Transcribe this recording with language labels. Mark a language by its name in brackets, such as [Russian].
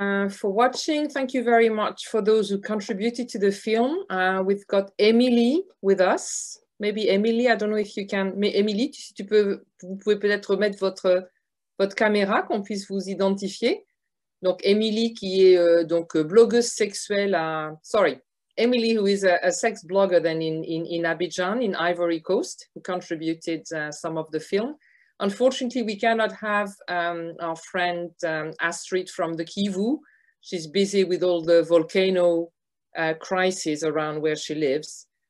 [English] For watching, thank you very much for those who contributed to the film. We've got Emily with us. Maybe Emily, I don't know if you can. [French] Mais Emily, si tu peux, vous pouvez peut-être mettre votre caméra, qu'on puisse vous identifier. Donc Emily, qui est donc blogueuse sexuelle. [English] Emily, who is a sex blogger then in Abidjan, in Ivory Coast, who contributed some of the film. Unfortunately, we cannot have our friend Astrid from the Kivu. She's busy with all the volcano crises around where she lives.